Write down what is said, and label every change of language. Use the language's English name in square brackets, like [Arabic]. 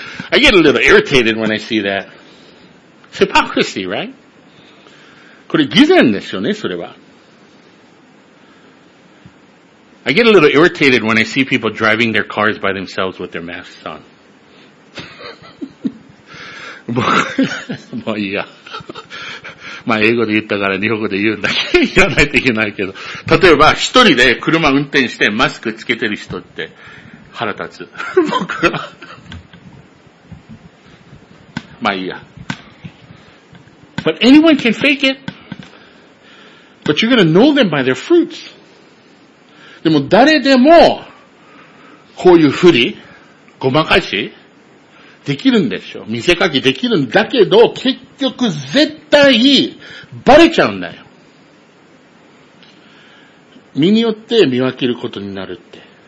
[English] I get a little irritated when I see that. It's hypocrisy, right? [Japanese] これ偽善ですよね、それは。 [English] I get a little irritated when I see people driving their cars by themselves with their masks on. [Japanese] もういいや。まあ英語で言ったから日本語で言うんだけど、言わないといけないけど。例えば一人で車運転してマスクつけてる人って、腹立つ。僕は。まあいいや。 [English] But anyone can fake it. But you're gonna know them by their fruits. [Japanese] でも誰でも、こういうふり、ごまかし、できるんでしょ。見せかけできるんだけど、結局絶対、バレちゃうんだよ。身によって見分けることになるって。